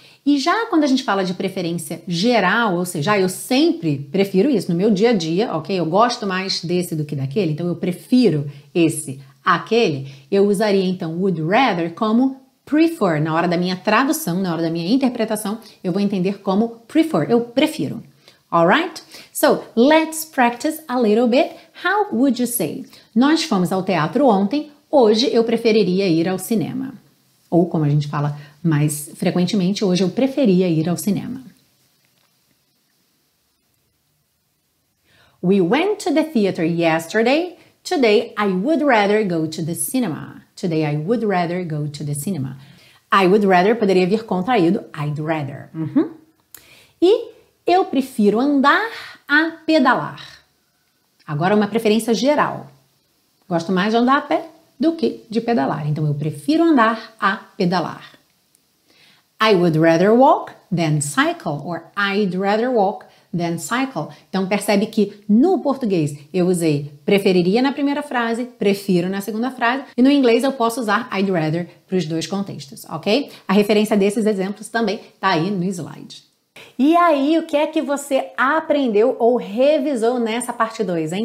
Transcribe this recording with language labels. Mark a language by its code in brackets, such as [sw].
[pt] E já quando a gente fala de preferência geral, ou seja, eu sempre prefiro isso no meu dia a dia, ok? Eu gosto mais desse do que daquele, então eu prefiro esse àquele, eu usaria então would rather como prefer. Na hora da minha tradução, na hora da minha interpretação, eu vou entender como prefer, eu prefiro. [en] Alright? So, let's practice a little bit. How would you say? [pt] Nós fomos ao teatro ontem, hoje eu preferiria ir ao cinema. Ou como a gente fala mais frequentemente, hoje eu preferia ir ao cinema. [en] We went to the theater yesterday. Today I would rather go to the cinema. Today I would rather go to the cinema. I would rather [pt] poderia vir contraído. [en] I'd rather. Uhum. [pt] E eu prefiro andar a pedalar. Agora uma preferência geral. Gosto mais de andar a pé do que de pedalar. Então, eu prefiro andar a pedalar. [en] I would rather walk than cycle, or I'd rather walk than cycle. [pt] Então, percebe que no português eu usei preferiria na primeira frase, prefiro na segunda frase, e no inglês eu posso usar I'd rather para os dois contextos, ok? A referência desses exemplos também está aí no slide. E aí, o que é que você aprendeu ou revisou nessa parte 2, hein?